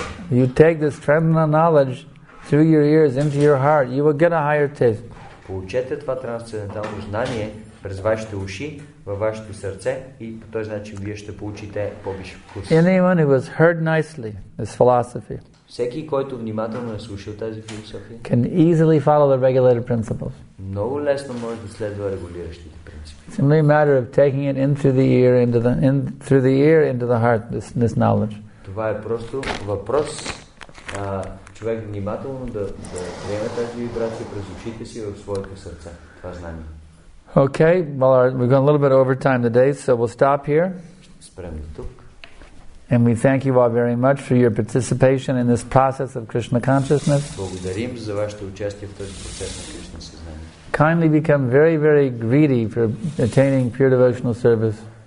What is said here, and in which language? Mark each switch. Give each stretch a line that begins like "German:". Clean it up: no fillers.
English: You take this transcendental knowledge through your ears into your heart, you will get a higher taste.
Bulgarian: Получете това трансцендентално знание през вашите уши, във вашето сърце и по този начин вие ще получите повиш вкус.
English: Anyone who has heard nicely this philosophy,
Bulgarian: всеки, който внимателно е слушал тази философия,
English: can easily follow the regulated principles.
Bulgarian: Много лесно може да следва регулиращите принципи.
English: It's only a matter of taking it in through the ear into the in through the ear into the heart, this knowledge.
Bulgarian: Това е просто въпрос човек внимателно да приеме тази вибрация през ушите си в своето сърце. Това знание.
English: Okay, well, we've gone a little bit over time today, so we'll stop here.
Bulgarian: Спрем до тук.
English: And we thank you all very much for your participation in this process of Krishna consciousness.
Bulgarian: Благодарим за вашето участие в този процес на Кришна съзнание.
English: kindly become very, very greedy for attaining pure devotional service.